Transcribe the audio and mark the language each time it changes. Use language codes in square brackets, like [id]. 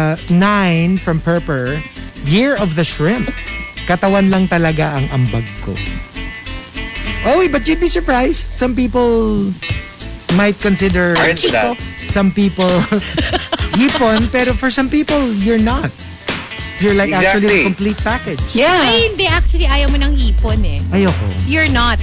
[en] 9 from Perper, Year of the Shrimp. [tl] Katawan lang talaga ang ambag ko. [en] Oh wait, but you'd be surprised. Some people might consider Chico. Some people hipon, pero for some people, you're not. You're like exactly. Actually the complete package. [tl] Yeah. Ay, hindi, actually, ayaw mo ng hipon eh. Ayoko. [en] You're not.